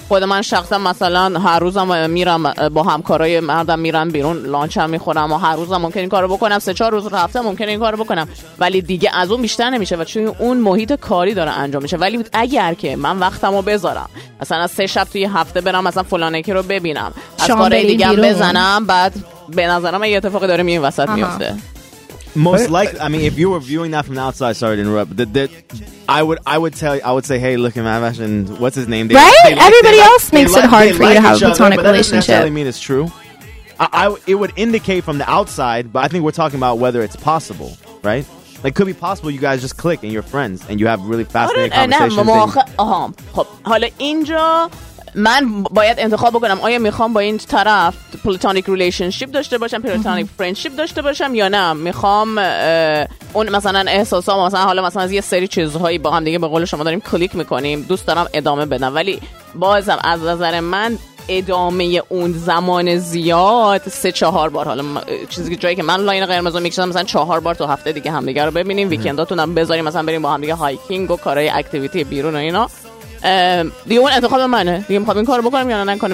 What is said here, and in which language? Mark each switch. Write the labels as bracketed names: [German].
[Persian] خود من شخصا مثلا هر روزم میرم با همکارای مردم میرم بیرون لانچ هم میخورم و هر روزم ممکن این کارو بکنم 3-4 روز هفته ممکن این کارو بکنم ولی دیگه از اون بیشتر نمیشه و چون اون محیط کاری داره انجام میشه ولی اگر که من وقتمو بذارم مثلا از 3 شب توی هفته برم مثلا فلانکی رو ببینم از کارهای دیگه هم بزنم بعد به نظرم یه اتفاقی داره میون وسط میفته [English] Most likely, I mean, if you were viewing that from the outside, sorry to interrupt, but I would say, hey, look at Mahvash and what's his name? Everybody else makes it hard for you to have a platonic relationship. Doesn't necessarily mean it's true. It would indicate from the outside, but I think we're talking about whether it's possible, right? Like, could be possible you guys just click and you're friends and you have really fascinating conversations. [Persian] حالا اینجا من باید انتخاب بکنم آیا میخوام با این طرف پلاتونیک ریلیشنشیپ داشته باشم، پلاتونیک فرندشیپ داشته باشم یا نه، میخوام اون مثلا احساسا مثلا حالا مثلا از یه سری چیزهایی با هم دیگه به قول شما داریم کلیک میکنیم، دوست دارم ادامه بدم. ولی بازم از نظر من ادامه اون زمان زیاد 3-4 بار، حالا چیزی که جایی که من لاین قرمز رو میکشم مثلا 4 بار تو هفته دیگه هم دیگه رو ببینیم، ویکنداتون هم بذاریم مثلا بریم با هم دیگه هایکینگ و کارهای اکتیویتی بیرون و اینا، دیگه اون انتخاب منه دیگه، میخوام این کارو بکنم یا نه نکنم.